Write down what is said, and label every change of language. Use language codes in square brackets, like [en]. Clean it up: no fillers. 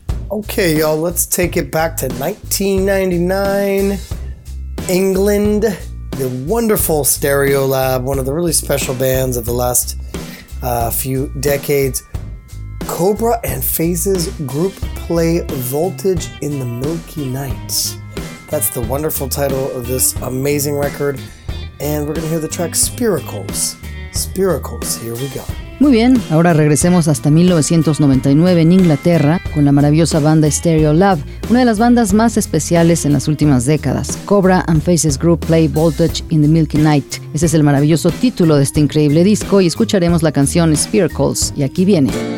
[en] Okay, y'all, let's take it back to 1999, England, the wonderful Stereolab, one of the really special bands of the last few decades. Cobra and Phases group play Voltage in the Milky Night. That's the wonderful title of this amazing record. And we're going to hear the track Spiracles. Spiracles, here we go. [es] Muy bien, ahora regresemos hasta 1999 en Inglaterra con la maravillosa banda Stereolab, una de las bandas más especiales en las últimas décadas. [en] Cobra and Phases Group Play Voltage in the Milky Night. [es] Ese es el maravilloso título de este increíble disco y escucharemos la canción Spiracles, y aquí viene.